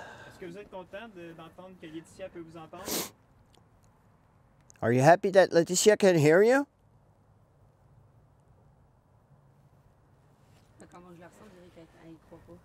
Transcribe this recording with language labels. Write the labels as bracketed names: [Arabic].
[French] Est-ce que vous êtes content d'entendre que Laetitia peut vous entendre? [English] Are you happy that Laetitia can hear you? [French] Comment je la ressens, je dirais qu'elle ne croit pas.